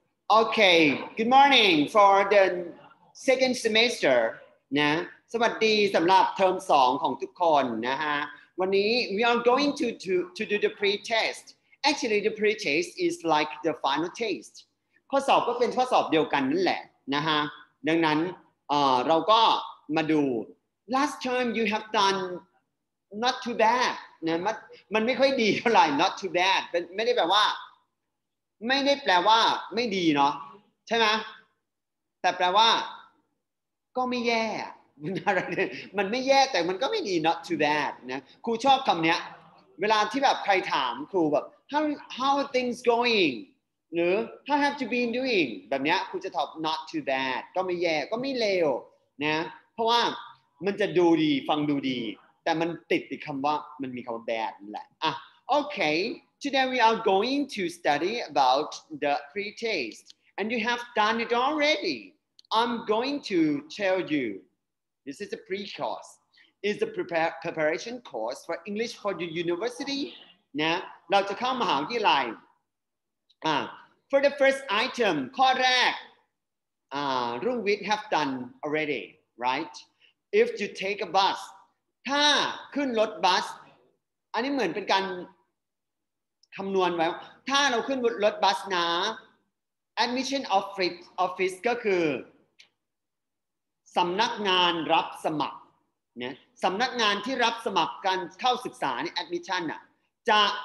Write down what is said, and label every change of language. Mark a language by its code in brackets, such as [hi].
[en] Okay, good morning for the second semester [th] นะสวัสดีสำหรับเทอม2ของทุกคนนะฮะวันนี้ [en] we are going to do the pre-test. Actually the pre-test is like the final test. [th] ข้อสอบก็เป็นข้อสอบเดียวกันนั่นแหละนะฮะดังนั้นเราก็มาดู [en] last term you have done not too bad [th] นะมันไม่ค่อยดีเท่าไหร่ [en] not too bad [th] ไม่ได้แปลว่าไม่ได้แปลว่าไม่ดีเนาะใช่ไหมแต่แปลว่า ก็ไม่แย่อะไรมันไม่แย่แต่มันก็ไม่ดี [en] not too bad [th] นะครูชอบคำเนี้ยเวลาที่แบบใครถามครูแบบ [en] how are things going [th] หรือ [en] how have you been doing [th] แบบเนี้ยครูจะตอบ [en] not too bad [th] ก็ไม่แย่ก็ไม่เลวนะเพราะว่ามันจะดูดีฟังดูดีแต่มันติดคำว่ามันมีคำว่า bad นั่นแหละอ่ะโอเค [en] Today we are going to study about the pre-test, and you have done it already. I'm going to tell you, this is a pre-course. It's a preparation course for English for the university. [th] นะเราจะเข้ามหาวิทยาลัย [en] For the first item, [th] ข้อแรก [en] รุ่งวิทย์ have done already, right? If you take a bus, [th] ถ้าขึ้นรถบัสอันนี้เหมือนเป็นการคำนวณไว้ถ้าเราขึ้นรถบัสนะ admission office ก็คือสำนักงานรับสมัครนะสำนักงานที่รับสมัครการเข้าศึกษาเนี่ย admission น่ะจะ